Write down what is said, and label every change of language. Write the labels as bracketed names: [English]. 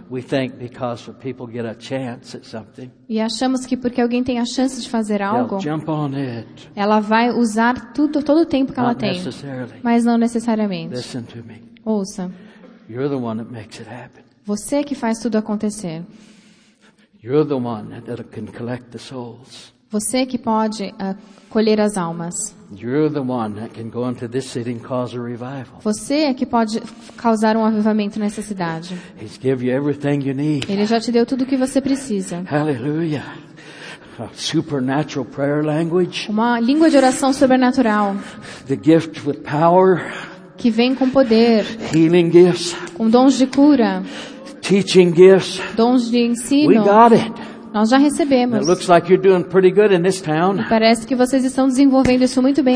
[English] We think because people get a chance at something, [Portuguese] e achamos que porque alguém tem a chance de fazer algo, [English] they'll jump on it. [Portuguese] Ela vai usar tudo, todo o tempo que [English] not [Portuguese] ela tem, [English] necessarily. [Portuguese] Mas não necessariamente. [English] Listen to me. [Portuguese] Ouça. [English] You're the one that makes it happen. [Portuguese] Você que faz tudo acontecer. [English] You're the one that can collect the souls. [Portuguese] Você que pode colher as almas. [English] You're the one that can go into this city and cause a revival. [Portuguese] Você é que pode causar um avivamento nessa cidade. [English] He's given you everything you need. [Portuguese] Ele já te deu tudo o que você precisa. [English] Hallelujah. A supernatural prayer language. [Portuguese] Uma língua de oração sobrenatural. [English] The gift with power. [Portuguese] Que vem com poder. [English] Healing gifts. [Portuguese] Com dons de cura. [English] Teaching gifts. [Portuguese] Dons de ensino. [English] We got it. [Portuguese] Nós já recebemos. [English] It looks like you're doing pretty good in this town. [Portuguese] Parece que vocês estão desenvolvendo isso muito bem.